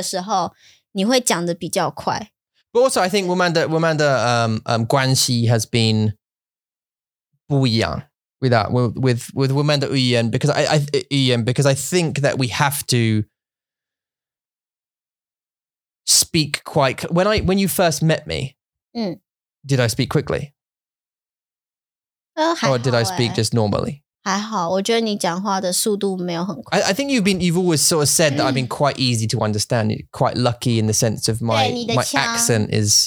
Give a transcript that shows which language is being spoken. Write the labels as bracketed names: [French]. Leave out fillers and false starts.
[Chinese] 对啊，就是你可能讲的你那句话，或是你那个状况，你很清楚，你知道要说什么的时候，你会讲的比较快。But [English] also, I think [Chinese] 我们的关系 [English] has been [Chinese] 不一样 [English] with [Chinese] 我们的语言 [English] because I think that we have to speak quite when you first met me. Did I speak quickly? Or did I speak just normally? [Chinese] 还好，我觉得你讲话的速度没有很快。 [English] I think you've always sort of said that I've been quite easy to understand. Quite lucky in the sense of my accent is